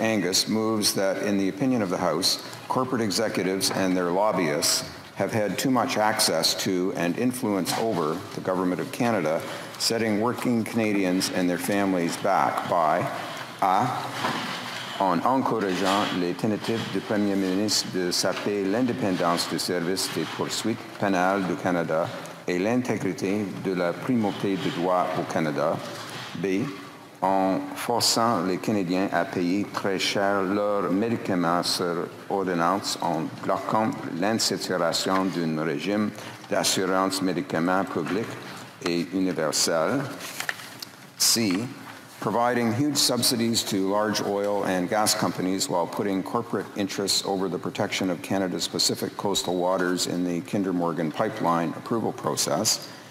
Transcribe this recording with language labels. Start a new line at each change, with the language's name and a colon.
English: Angus, moves that in the opinion of the House, corporate executives and their lobbyists have had too much access to and influence over the Government of Canada, setting working Canadians and their families back by A.
French: En encourageant les tentatives du Premier ministre de saper l'indépendance du service des poursuites pénales du Canada et l'intégrité de la primauté du droit au Canada. B. En forçant les Canadiens à payer très cher leurs médicaments sur ordonnance en bloquant l'instauration d'un régime d'assurance médicaments public et universel. C.
English: Providing huge subsidies to large oil and gas companies while putting corporate interests over the protection of Canada's Pacific coastal waters in the Kinder Morgan pipeline approval process.